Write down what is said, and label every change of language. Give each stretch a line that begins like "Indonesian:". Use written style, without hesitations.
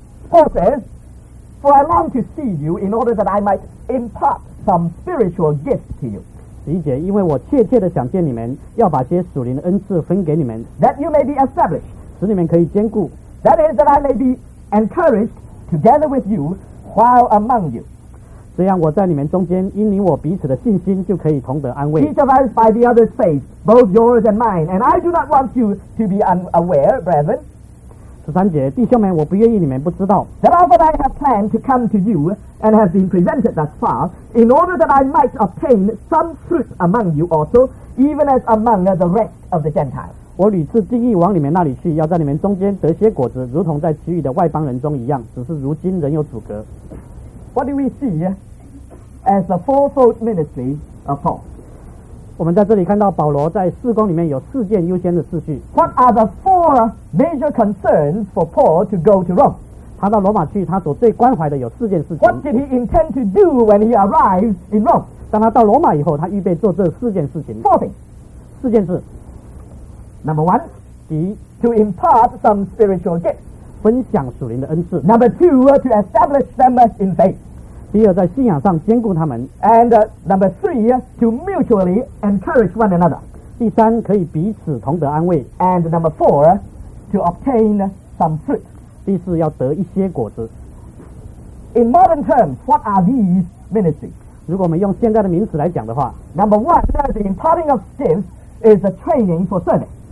English: Paul says, For I long to see you in order that I might impart some spiritual gifts to you.
Chinese: 十一节，因为我切切地想见你们，要把些属灵的恩赐分给你们。
English: That you may be established.
Chinese: 使你们可以坚固。
English: That is that I may be encouraged together with you while among you.
Chinese: 这样我在你们中间，因你我彼此的信心，就可以同得安慰。
English: Each of us by the other's faith, both yours and mine. And I do not want you to be unaware, brethren.
Chinese: 十三节，弟兄们，我不愿意你们不知道。
English: That all that I have planned to come to you and have been presented thus far, in order that I might obtain some fruit among you also, even as among the rest of the Gentiles.
Chinese: 我屡次定意往你们那里去，要在你们中间得些果子，如同在其余的外邦人中一样，只是如今仍有阻隔。
English: What do we see as the fourfold ministry of Paul?
Chinese: 我们在这里看到保罗在事工里面有四件优先的次序。
English: What are the four? Major concerns for Paul to go to Rome.
Chinese: 他到罗马去，他所最关怀的有四件事情。
English: What did he intend to do when he arrived in Rome?
Chinese: 当他到罗马以后，他预备做这四件事情。
English: Fourthing,
Chinese: 四件事。
English: Number one,
Chinese: 第一
English: to impart some spiritual gifts,
Chinese: 分享属灵的恩赐。
English: Number two, to establish them in faith,
Chinese: 第二在信仰上坚固他们。
English: And number three, to mutually encourage one another,
Chinese: 第三可以彼此同得安慰。
English: And number four, to obtain some fruit,
Chinese: 第四要得一些果子。
English: In modern terms, what are these ministries?
Chinese: 如果我们用现在的名词来讲的话，
English: Number one, the imparting of gifts is a training for serving.